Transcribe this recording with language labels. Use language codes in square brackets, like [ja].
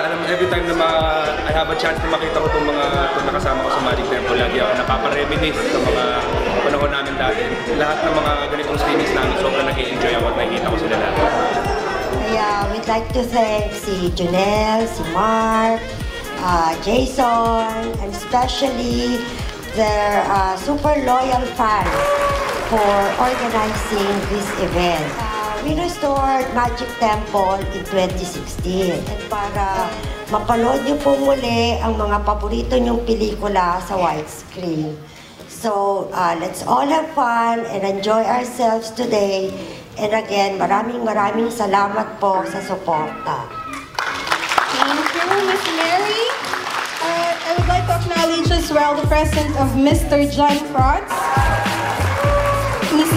[tl] Alam, [en] every time [tl] na [en] I have a chance [tl] na makita ko itong mga itong nakasama ko sa Magic Temple, lagi ako nakapareminis sa mga panahon namin dati. Lahat ng mga ganitong screenings namin, sobrang nag-i-enjoy ako at nakikita ko sila lahat. [en] Yeah, we'd like to thank si Junell, si Marc, Jason, and especially their super loyal fans for organizing this event. We restored Magic Temple in 2016. [tl] And para mapanood niyo po muli ang mga paborito niyong pelikula sa widescreen. [en] So, let's all have fun and enjoy ourselves today. And again, [tl] maraming salamat po sa suporta. [en] Thank you, Ms. Mary. I would like to acknowledge as well the presence of Mr. John Pratts, Ms.